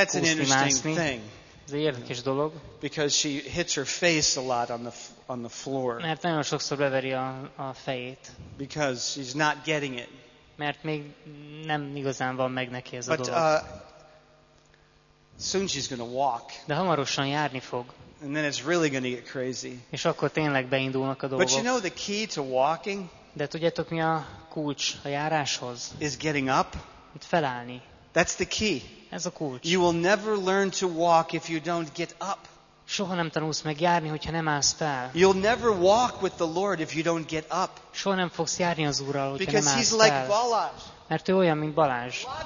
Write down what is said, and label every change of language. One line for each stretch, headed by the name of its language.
English: mászni. That's an interesting thing.
Hungarian: Ez egy érdekes dolog.
English: Because she hits her face a lot on the floor.
Hungarian: Mert nagyon sokszor beveri a fejét.
English: Because she's not getting it.
Hungarian: Mert még nem igazán van meg neki ez a
English: dolog. Soon she's going to walk.
Hungarian: De hamarosan járni fog.
English: And then it's really going to get crazy.
Hungarian: És akkor tényleg beindulnak a dolgok.
English: But you know the key to walking?
Hungarian: De tudjátok, mi a kulcs a járáshoz?
English: Is getting up.
Hungarian: Felállni.
English: That's the key.
Hungarian: Ez a kulcs.
English: You will never learn to walk if you don't get up.
Hungarian: Soha nem tanulsz meg járni, hogyha nem állsz fel.
English: You'll never walk with the Lord if you don't get up.
Hungarian: Soha nem fogsz járni az Úrral, hogyha
English: Because
Hungarian: nem állsz
English: he's
Hungarian: fel.
English: Like Balázs.
Hungarian: Mert ő olyan, mint Balázs.